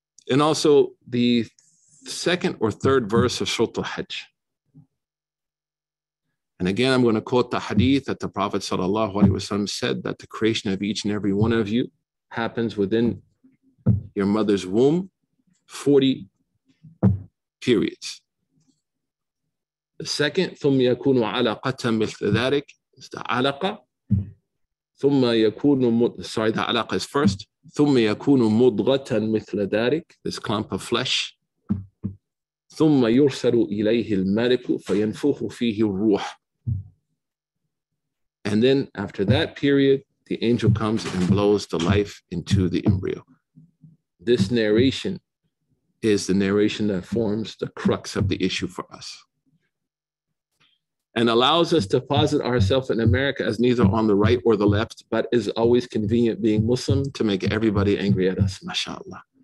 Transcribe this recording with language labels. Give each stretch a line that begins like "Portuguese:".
English: And also the second or third verse of Surah Al-Hajj. And again, I'm going to quote the hadith that the Prophet sallallahu alaihi wasallam said that the creation of each and every one of you happens within your mother's womb 40 periods. The second,
Arabic: ثم يكون علاقة مثل ذلك,
English: is the
Arabic: علاقة. ثم يكون,
English: sorry, the علاقة is first.
Arabic: ثم يكون مضغة مثل ذلك,
English: this clump of flesh.
Arabic: ثم يرسل إليه الملك فينفخ فيه الروح.
English: And then after that period, the angel comes and blows the life into the embryo. This narration is the narration that forms the crux of the issue for us and allows us to posit ourselves in America as neither on the right or the left, but is always convenient being Muslim to make everybody angry at us, mashallah.